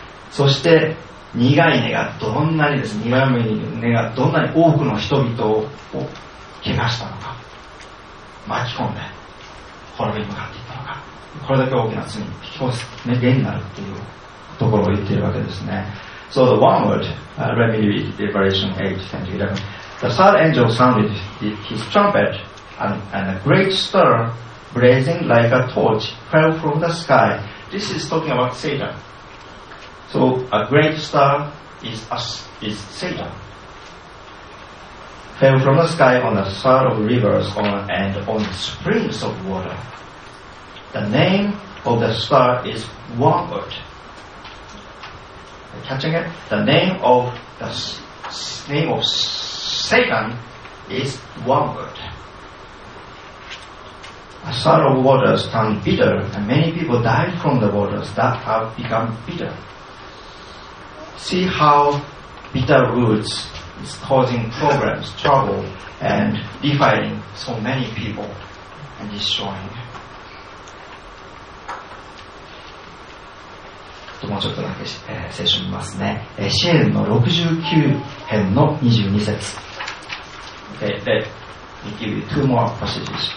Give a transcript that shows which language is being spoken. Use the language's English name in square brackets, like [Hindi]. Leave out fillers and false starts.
[Japanese] そして、苦い根がどんなにです、苦い根がどんなに多くの人々を怪我したのか、巻き込んで、滅びに向かっていったのか、これだけ大きな罪に引き起こす、ね、原因になるっていうところを言っているわけですね。 [English] So the one word, let me read Revelation 8, 10 to 11. The third angel sounded his trumpet, and a great star blazing like a torch fell from the sky. This is talking about Satan. So a great star is Satan. Fell from the sky on the third of rivers on, and on the springs of water. The name of the star is Wormwood. Catching it? The name of the name of Satan is Wormwood. A star of waters turned bitter, and many people died from the waters that have become bitter. See how bitter roots is causing problems, trouble, and defiling so many people and destroying. [Japanese] もうちょっとだけ、聖書見ますね。詩篇の69編の22節。 [English] Okay, let me give you two more passages.